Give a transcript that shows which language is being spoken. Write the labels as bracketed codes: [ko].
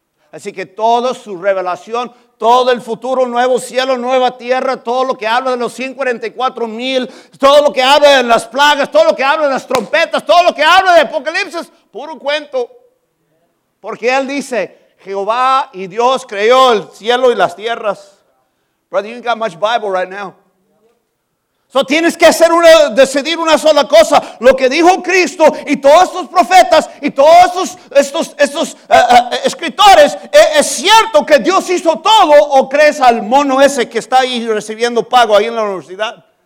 [es] Así que toda su revelación, todo el futuro, nuevo cielo, nueva tierra, todo lo que habla de los 144,000, todo lo que habla de las plagas, todo lo que habla de las trompetas, todo lo que habla de Apocalipsis, puro cuento. Porque él dice, Jehová y Dios creó el cielo y las tierras. [en] Brother, you ain't got much Bible right now. [es] So tienes que decidir una sola cosa. Lo que dijo Cristo y todos estos profetas y todos estos escritores, ¿es cierto que Dios hizo todo o crees al mono ese que está ahí recibiendo pago ahí en la universidad?